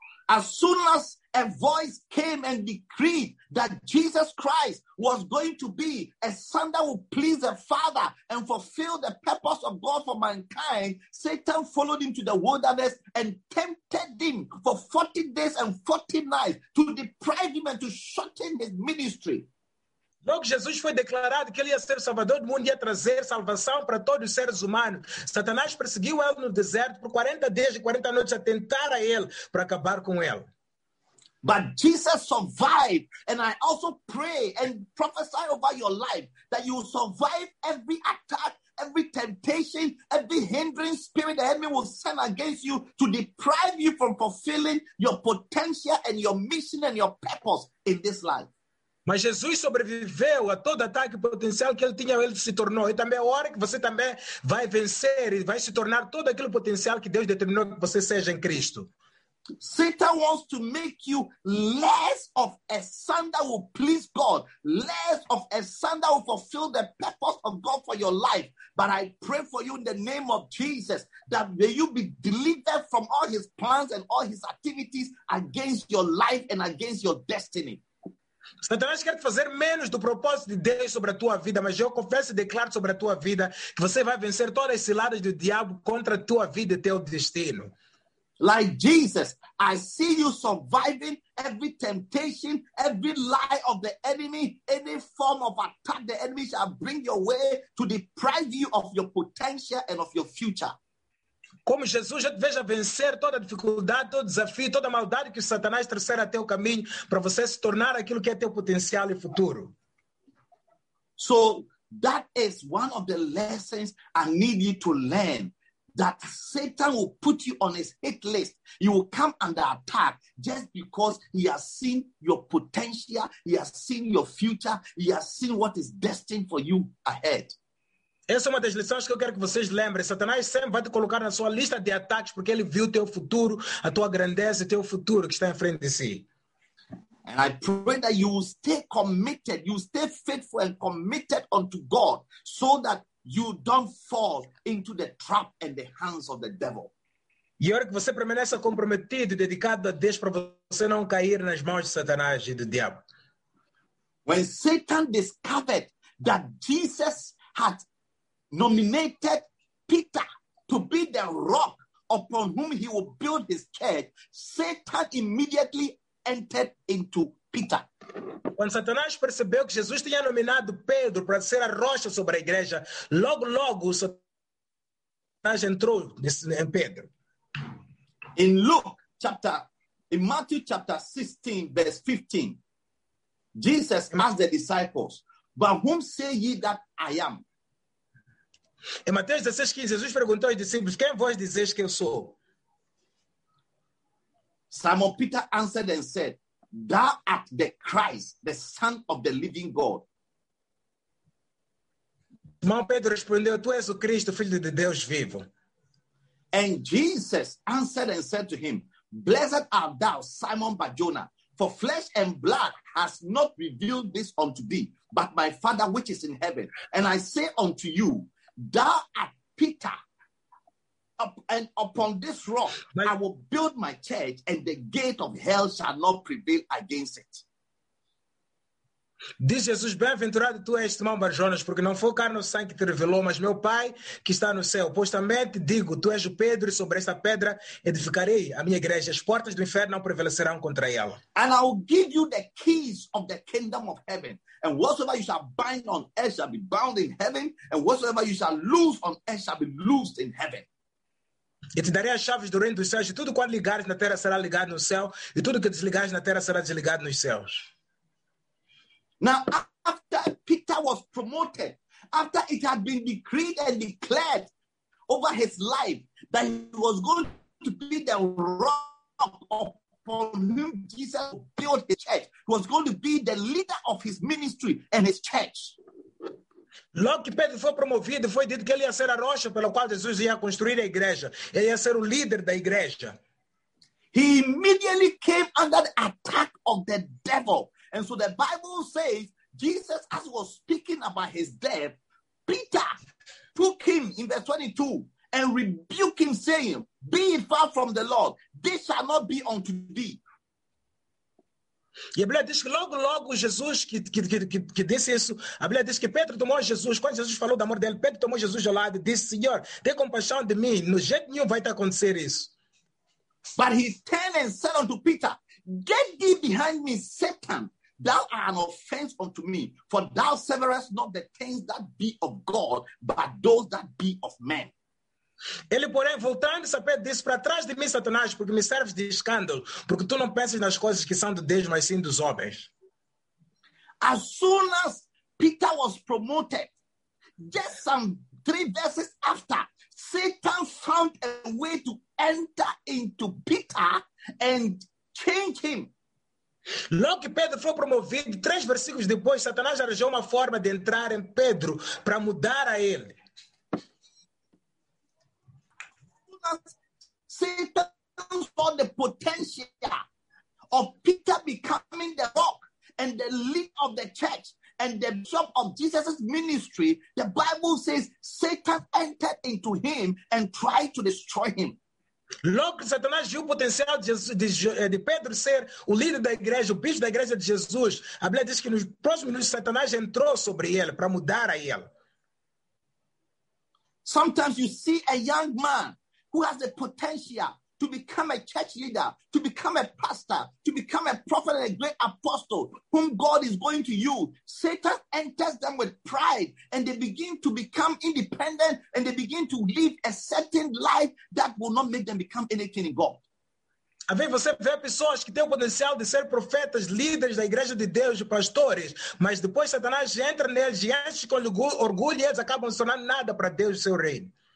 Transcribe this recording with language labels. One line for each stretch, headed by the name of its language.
English: As soon as a voice came and decreed that Jesus Christ was going to be a son that would please the Father and fulfill the purpose of God for mankind, Satan followed him to the wilderness and tempted him for 40 days and 40 nights to deprive him and to shorten his ministry.
Portuguese: Logo Jesus foi declarado que ele ia ser salvador do mundo e ia trazer salvação para todos os seres humanos. Satanás perseguiu ele no deserto por 40 dias e 40 noites a tentar a ele para acabar com ele.
English: But Jesus survived, and I also pray and prophesy over your life that you survive every attack, every temptation, every hindering spirit the enemy will send against you to deprive you from fulfilling your potential and your mission and your purpose in this life.
Portuguese: Mas Jesus sobreviveu a todo ataque potencial que ele tinha, ele se tornou. E também é hora que você também vai vencer e vai se tornar todo aquele potencial que Deus determinou que você seja em Cristo.
English: Satan wants to make you less of a son that will please God, less of a son that will fulfill the purpose of God for your life. But I pray for you in the name of Jesus that may you be delivered from all his plans and all his activities against your life and against your destiny.
Portuguese: Satanás quer fazer menos do propósito de Deus sobre a tua vida, mas eu confesso e declaro sobre a tua vida que você vai vencer todas as ciladas do diabo contra a tua vida e teu destino.
English: Like Jesus, I see you surviving every temptation, every lie of the enemy, any form of attack the enemy shall bring your way to deprive you of your potential and of your future.
Portuguese: Como Jesus, eu te vejo a vencer toda a dificuldade, todo desafio, toda a maldade que o Satanás trouxer até o caminho para você se tornar aquilo que é teu potencial e futuro.
English: So, that is one of the lessons I need you to learn. That Satan will put you on his hit list. You will come under attack just because he has seen your potential, he has seen your future, he has seen what is destined for you ahead.
Portuguese: Essa é uma das lições que eu quero que vocês lembrem. Satanás sempre vai te colocar na sua lista de ataques porque ele viu o teu futuro, a tua grandeza e o teu futuro que está em frente de si.
English: And I pray that you will stay committed, you stay faithful and committed unto God so that you don't fall into the trap and the hands of the devil.
Portuguese: E eu quero que você permaneça comprometido e dedicado a Deus para você não cair nas mãos de Satanás e do diabo.
English: When Satan discovered that Jesus had nominated Peter to be the rock upon whom he will build his church, Satan immediately entered into Peter.
Portuguese: Quando Satanás percebeu que Jesus tinha nominado Pedro para ser a rocha sobre a igreja, logo, logo, Satanás entrou em Pedro.
English: In Luke chapter, in Matthew chapter 16, verse 15, Jesus asked the disciples, "But whom say ye that I am?"
Portuguese: Em Mateus 16, 15, Jesus perguntou aos discípulos, quem vós dizeis que eu sou?
English: Simon Peter answered and said, thou art the Christ, the Son of the living God.
Portuguese: Simão Pedro respondeu, tu és o Cristo, filho de Deus vivo.
English: And Jesus answered and said to him, blessed art thou, Simon Bar-Jonah, for flesh and blood has not revealed this unto thee, but my Father which is in heaven. And I say unto you, thou art Peter, and upon this rock I will build my church, and the gate of hell shall not prevail against it.
Portuguese: Diz Jesus, bem-aventurado tu és, Simão Bar-Jonas, porque não foi carne ou sangue que te revelou, mas meu Pai que está no céu. Pois também te digo, tu és o Pedro, e sobre esta pedra edificarei a minha igreja. As portas do inferno não prevalecerão contra ela.
English: And I will give you the keys of the kingdom of heaven. And whatsoever you shall bind on earth shall be bound in heaven. And whatsoever you shall loose on earth shall be loosed in heaven.
Portuguese: E te darei as chaves do reino dos céus. E tudo quanto ligares na terra será ligado no céu. E tudo que desligares na terra será desligado nos céus.
English: Now, after Peter was promoted, after it had been decreed and declared over his life that he was going to be the rock of upon whom Jesus built his church, who was going to be the leader of his ministry and his church.
Portuguese: Logo que Pedro foi promovido, foi dito que ele ia ser a rocha pela qual Jesus ia construir a igreja. Ele ia ser o líder da igreja.
English: He immediately came under the attack of the devil. And so the Bible says, Jesus, as he was speaking about his death, Peter took him in verse 22 and rebuked him, saying, be it far from the Lord, this shall not be unto thee.
Portuguese: E a Bíblia diz que logo Jesus que disse isso, a Bíblia diz que Pedro tomou Jesus, quando Jesus falou do amor dele, Pedro tomou Jesus de lado e disse, Senhor, tem compaixão de mim, no jeito nenhum vai te acontecer isso.
English: But he turned and said unto Peter, get thee behind me, Satan, thou art an offense unto me, for thou severest not the things that be of God, but those that be of men.
Portuguese: Ele, porém, voltando-se a Pedro, disse, para trás de mim, Satanás, porque me serves de escândalo, porque tu não pensas nas coisas que são de Deus, mas sim dos homens.
English: As soon as Peter was promoted, just some 3 verses after, Satan found a way to enter into Peter and change him.
Portuguese: Logo que Pedro foi promovido, 3 versículos depois, Satanás arranjou uma forma de entrar em Pedro para mudar a ele.
English: Satan saw the potential of Peter becoming the rock and the lead of the church and the bishop of Jesus' ministry. The Bible says Satan entered into him and tried to destroy him.
Portuguese: Logo, Satanás viu o potencial de Pedro ser o líder da igreja, o bispo da igreja de Jesus. A Bíblia diz que nos próximos minutos Satanás entrou sobre ele para mudar a ele.
English: Sometimes you see a young man who has the potential to become a church leader, to become a pastor, to become a prophet and a great apostle, whom God is going to use. Satan enters them with pride, and they begin to become independent, and they begin to live a certain life that will not make them become anything in God.
Portuguese: A ver, você vê pessoas que têm o potencial de ser profetas, líderes da igreja de Deus, pastores, mas depois Satanás entra neles e enche com orgulho, e eles acabam se tornando nada para Deus e seu reino.